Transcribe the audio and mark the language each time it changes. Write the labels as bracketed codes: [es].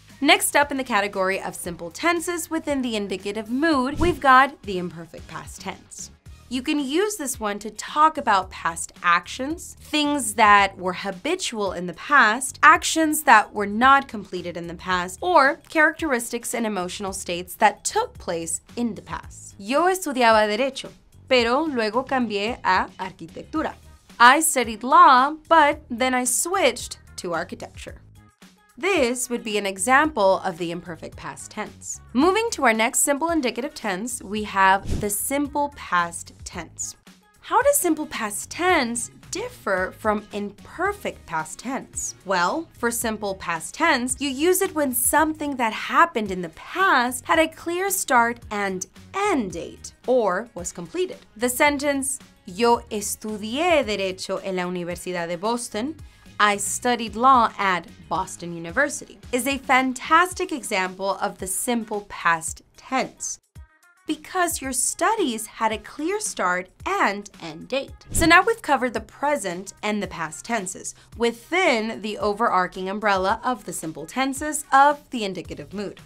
[en] Next up in the category of simple tenses within the indicative mood, we've got the imperfect past tense. You can use this one to talk about past actions, things that were habitual in the past, actions that were not completed in the past, or characteristics and emotional states that took place in the past. [es] Yo estudiaba derecho, pero luego cambié a arquitectura. [en] I studied law, but then I switched to architecture. This would be an example of the imperfect past tense. Moving to our next simple indicative tense, we have the simple past tense. How does simple past tense differ from imperfect past tense? Well, for simple past tense, you use it when something that happened in the past had a clear start and end date, or was completed. The sentence, [es] Yo estudié derecho en la Universidad de Boston. [en] I studied law at Boston University. Is a fantastic example of the simple past tense, because your studies had a clear start and end date. So now we've covered the present and the past tenses within the overarching umbrella of the simple tenses of the indicative mood.